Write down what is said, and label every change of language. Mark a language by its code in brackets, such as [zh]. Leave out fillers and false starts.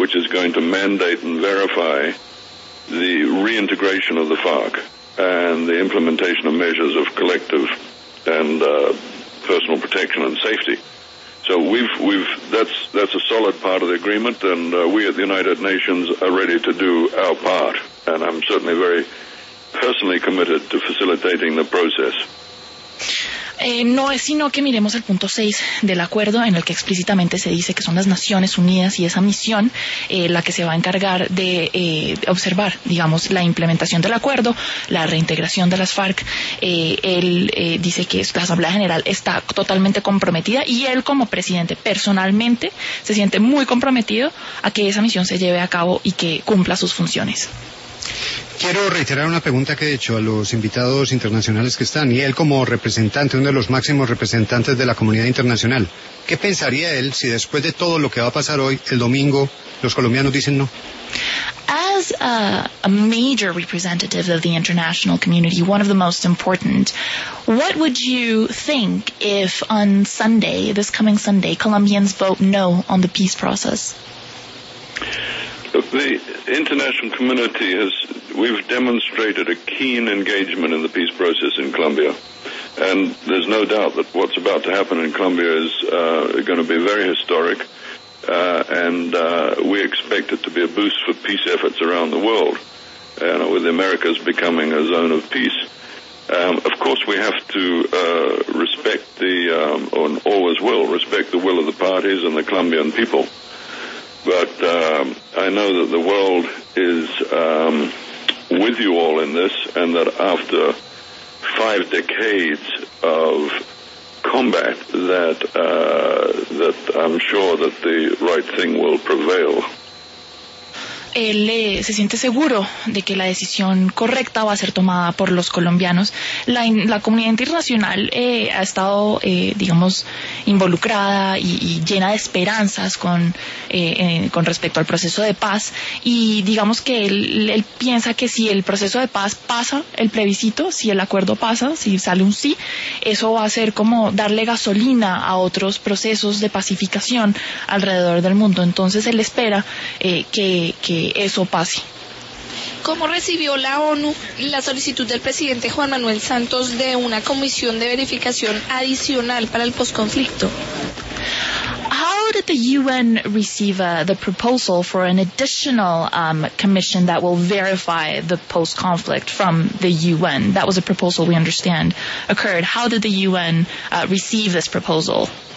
[en] going to mandate and verify the reintegration of the FARC and the implementation of measures of collective and personal protection and safety. So that's a solid part of the agreement, and we at the United Nations are ready to do our part, and I'm certainly very personally committed to facilitating the process. [es] No es sino que miremos el punto 6 del acuerdo, en el que explícitamente se dice que son las Naciones Unidas y esa misión la que se va a encargar de observar, digamos, la implementación del acuerdo, la reintegración de las FARC. Dice que la Asamblea General está totalmente comprometida y él como presidente personalmente se siente muy comprometido a que esa misión se lleve a cabo y que cumpla sus funciones. Quiero reiterar una pregunta que he hecho a los invitados internacionales que están, y él como representante, uno de los máximos representantes de la comunidad internacional, ¿qué pensaría él si después de todo lo que va a pasar hoy, el domingo, los colombianos dicen no? [en] As a major representative of the international community, one of the most important, what would you think if on Sunday, this coming Sunday, Colombians vote no on the peace process? Look, the international community we've demonstrated a keen engagement in the peace process in Colombia. And there's no doubt that what's about to happen in Colombia is going to be very historic. We expect it to be a boost for peace efforts around the world, with the Americas becoming a zone of peace. Of course, we have to respect the, and always will respect the will of the parties and the Colombian people. But I know that the world is with you all in this, and that after 5 decades of combat, that I'm sure that the right thing will prevail. [es] Él se siente seguro de que la decisión correcta va a ser tomada por los colombianos. La comunidad internacional ha estado, digamos, involucrada y llena de esperanzas con respecto al proceso de paz. Y digamos que él piensa que si el proceso de paz pasa, el plebiscito, si el acuerdo pasa, si sale un sí, eso va a ser como darle gasolina a otros procesos de pacificación alrededor del mundo. Entonces él espera que eso pase. ¿Cómo recibió la ONU la solicitud del presidente Juan Manuel Santos de una comisión de verificación adicional para el posconflicto? [en] How did the UN receive the proposal for an additional commission that will verify the post-conflict from the UN? That was a proposal we understand occurred. How did the UN receive this proposal?